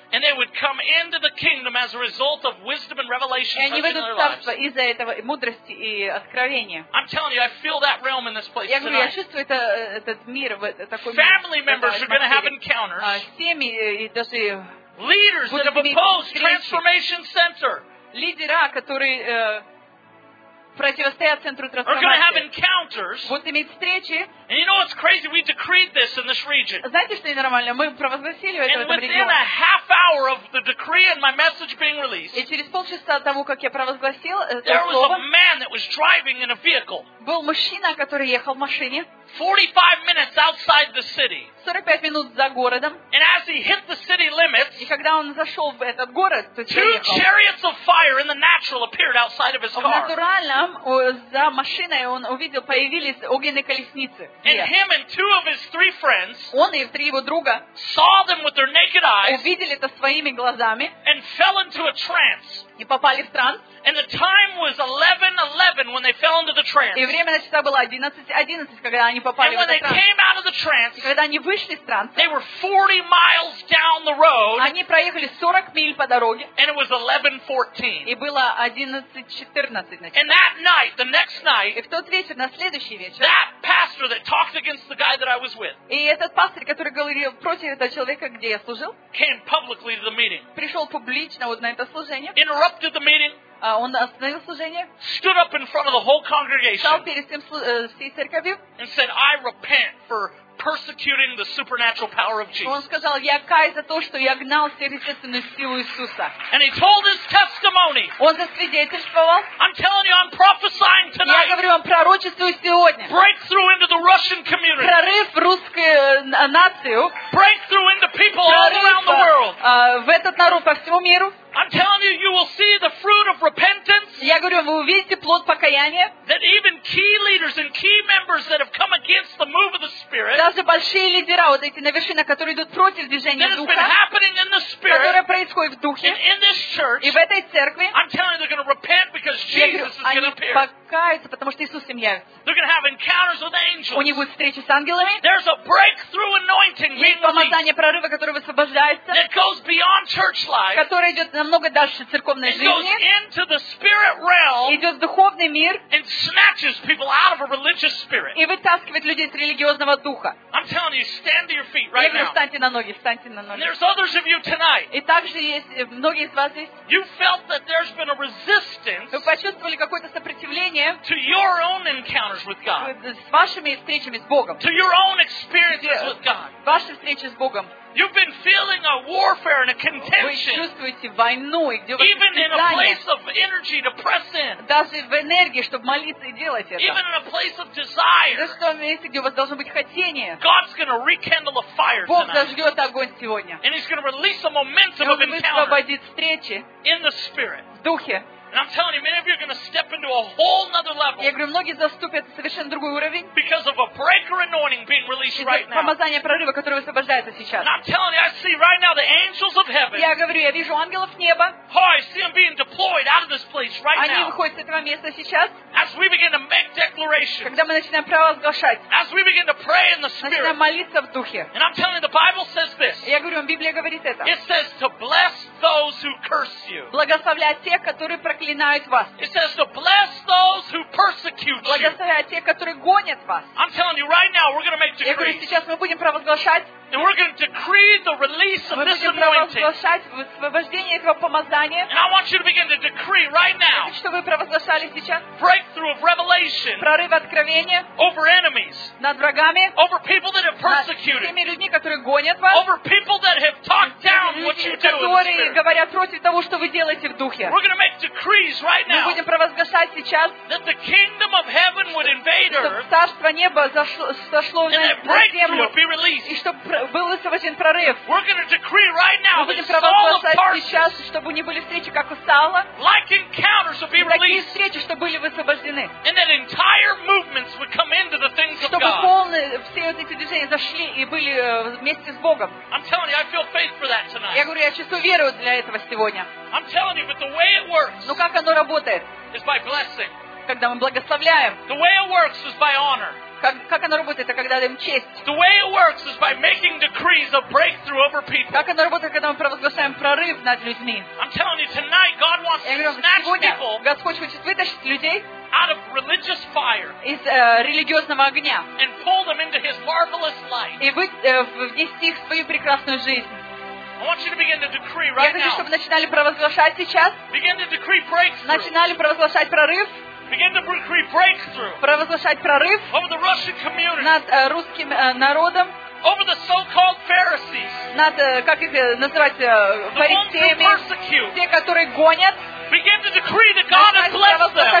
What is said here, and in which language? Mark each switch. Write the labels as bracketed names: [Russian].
[English] And they would come into the kingdom as a result of wisdom and revelation touching their lives. [Russian] И они выйдут в царство из-за этого мудрости и откровения. [English] I'm telling you, I feel that realm in this place. [Russian] Я говорю, я чувствую этот мир в такой. [English] Family members are going to have encounters. [Russian] Семьи и даже [English] Leaders that have opposed Transformation Center. [Russian] Лидера, которые противостоят центру трансформации. [English] Are going to have encounters. [Russian] Будут иметь встречи. [English] And you know what's crazy? We decreed this in this region. [Russian] Знаете, что ненормально? Мы провозгласили это в этом регионе. [English] And within a half hour of the decree and my message being released. [Russian] И через полчаса того, как я провозгласил это слово. [English] There was a man that was driving in a vehicle. [Russian] Был мужчина, который ехал в машине. [English] 45 minutes outside the city. [Russian] 45 минут за городом. [English] And as he hit the city limits, [Russian] и когда он зашел в этот город, то [English] two chariots of fire in the natural appeared outside of his car. [Russian] В натуральном за машиной он увидел появились огненные колесницы. [English] And him and two of his three friends, [Russian] он и три его друга, [English] saw them with their naked eyes, [Russian] увидели это своими глазами, [English] and fell into a trance. [Russian] И попали в транс. [English] And the time was 11:11 when they fell into the trance. [Russian] И время на часах было 11:11, когда они попали в транс. [English] And when they came out of the trance, [Russian] когда они вышли из транса, [English] they were 40 miles down the road, [Russian] они проехали 40 миль по дороге, [English] and it was 11:14. [Russian] И было 11:14 на часах. [English] And that night, the next night, [Russian] и в тот вечер, на следующий вечер, [English] that pastor that talked against the guy that I was with, [Russian] и этот пастор, который говорил против этого человека, где я служил, [English] came publicly to the meeting, [Russian] пришел публично вот на это служение, [English] interrupted the meeting, [Russian] он остановил служение, [English] stood up in front of the whole congregation, [Russian] встал перед всем, всей церковью, [English] and said, I repent for persecuting the supernatural power of Jesus. [Russian] Он сказал, я каюсь за то, что я гнал сверхъестественную силу Иисуса. [English] And he told his testimony. [Russian] Он засвидетельствовал. [English] I'm telling you, I'm prophesying tonight. [Russian] Я говорю вам, пророчествую сегодня. [English] Breakthrough into the Russian community. [Russian] Прорыв в русскую нацию. [English] Breakthrough into people all around the world. [Russian] В этот народ по всему миру. [English] I'm telling you, you will see the fruit of repentance. [Russian] Я говорю, вы увидите плод покаяния. [English] That even key leaders and key members that have come against the move of the Spirit. [Russian] Даже большие лидера, вот эти на вершинах, которые идут против движения [English] that [Russian] духа, [English] has been happening in the Spirit, [Russian] которые происходят в духе, [English] in this church, [Russian] и в этой церкви. [English] I'm telling you, they're going to repent because Jesus is going to appear. [Russian] Покаяться, потому что Иисус им явится. [English] They're going to have encounters with angels. [Russian] У них будут встречи с ангелами. [English] There's a breakthrough anointing. [Russian] Есть помазание прорыва, которое высвобождается. [English] That goes beyond church life. [Russian] Которое идет намного дальше церковной жизни. [English] It goes into the spirit realm. [Russian] Идет в духовный мир. [English] And snatches people out of a religious spirit. [Russian] И вытаскивает людей из религиозного духа. [English] I'm telling you, stand to your feet right now. [Russian] Я говорю, встаньте на ноги, встаньте на ноги. [English] There's others of you tonight. [Russian] И также есть многие из вас здесь. [English] You felt that there's been a resistance. [Russian] Вы почувствовали какое-то сопротивление. [English] To your own encounters with God. [Russian] С вашими встречами с Богом. [English] To your own experiences with God. [Russian] Ваши встречи с Богом. [English] You've been feeling a warfare and a contention. [Russian] Вы чувствуете войну, и где у вас [English] even in a place of energy to press in. [Russian] Даже в энергии, чтобы молиться и делать это. [English] Even in a place of desire. [Russian] Даже в том месте, где у вас должно быть хотение. [English] God's going to rekindle a fire [Russian] Бог [English] tonight. [Russian] Бог зажжет огонь сегодня. [English] And he's going to release a momentum of encounter. [Russian] И он высвободит встречи. [English] In the spirit. [Russian] В духе. [English] And I'm telling you, many of you are going to step into a whole another level. [Russian] Я говорю, многие заступят на совершенно другой уровень. [English] Because of a breaker anointing being released right now. [Russian] Помазание прорыва, которое высвобождается сейчас. [English] And I'm telling you, I see right now the angels of heaven. [Russian] Я говорю, я вижу ангелов неба. [English] Oh, I see them being deployed out of this place right [Russian] они [English] now. [Russian] Они выходят с этого места сейчас. [English] As we begin to make declarations. [Russian] Когда мы начинаем провозглашать. [English] As we begin to pray in the spirit. [Russian] Начинаем молиться в духе. [English] And I'm telling you, the Bible says this. [Russian] Я говорю, Библия говорит это. [English] It says to bless those who curse you. [Russian] Благословлять тех, которые [English] It says to bless those who persecute you. [Russian] Благословляя тех, которые гонят вас. [English] I'm telling you right now, we're going to make decrees. [Russian] Я говорю, сейчас мы будем провозглашать. [English] And we're going to decree the release of this anointing. [Russian] Мы будем провозглашать высвобождение этого помазания. [English] And I want you to begin to decree right now. [Russian] Хочу, чтобы вы провозглашали сейчас. [English] Breakthrough of revelation. [Russian] Прорыв откровения. [English] Over enemies. [Russian] Над врагами. [English] Over people that have persecuted. [Russian] Над теми людьми, которые гонят вас. [English] Over people that have talked down what you do. [Russian] Которые говорят против того, что вы делаете в духе. [English] We're going to make decrees. Right now, [Russian] мы будем провозглашать сейчас, [English] that the kingdom of heaven would invade earth, [Russian] чтобы царство неба сошло на землю, и чтобы был высвобожден прорыв. [English] We're going to decree right now, [Russian] мы будем провозглашать сейчас, чтобы не были встречи, как у Саула, [English] like encounters would be released, [Russian] такие встречи, чтобы были высвобождены, [English] and that entire movements would come into the things of God. [Russian] Чтобы полные все вот эти движения зашли и были вместе с Богом. [English] I'm telling you, I feel faith for that tonight. [Russian] Я говорю, я чувствую веру для этого сегодня. [English] I'm telling you, but the way it works. [Russian] Но как оно работает? [English] It's by blessing. [Russian] Когда мы благословляем. [English] The way it works is by honor. [Russian] Как оно работает, это когда даем честь. [English] The way it works is by making decrees of breakthrough over people. [Russian] Как оно работает, когда мы провозглашаем прорыв над людьми? [English] I'm telling you, tonight God wants to snatch people. [Russian] Господь хочет вытащить людей [English] out of religious fire. [Russian] Из религиозного огня. [English] And pull them into His marvelous light. [Russian] И внести их в свою прекрасную жизнь. [English] I want you to begin to decree right now. [Russian] Я хочу, чтобы начинали провозглашать сейчас. [English] Begin to decree breakthrough. [Russian] Начинали провозглашать прорыв. [English] Begin to decree breakthrough. [Russian] Провозглашать прорыв. [English] Over the Russian community. [Russian] Над русским народом. [English] Over the so-called Pharisees. [Russian] Над как их называть фарисеями. [English] The ones who persecute. [Russian] Те, которые гонят. [English] Begin to decree that God has blessed them.